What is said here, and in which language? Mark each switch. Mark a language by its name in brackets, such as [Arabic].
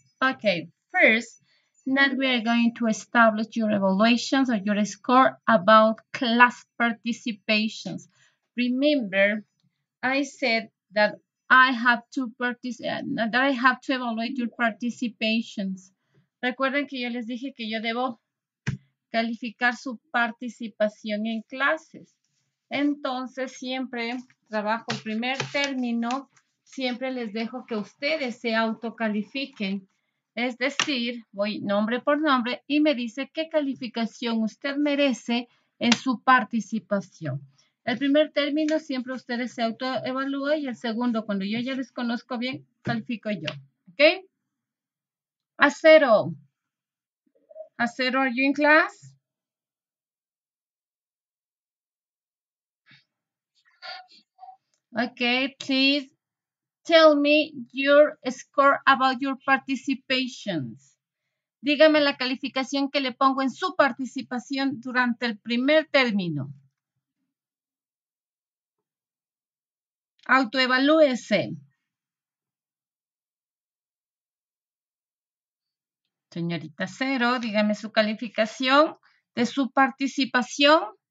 [English] Okay, first, now we are going to establish your evaluations or your score about class participations. Remember, I said that I have to evaluate your participations. [Spanish] Recuerden que yo les dije que yo debo calificar su participación en clases. Entonces, siempre trabajo el primer término, siempre les dejo que ustedes se autocalifiquen. Es decir, voy nombre por nombre y me dice qué calificación usted merece en su participación. El primer término siempre ustedes se autoevalúan y el segundo, cuando yo ya les conozco bien, califico yo. [English] ¿Ok? A cero. A cero, are you in class? Okay, please tell me your score about your participations. [Spanish] Dígame la calificación que le pongo en su participación durante el primer término. Autoevalúese. Señorita Cero, dígame su calificación de su participación.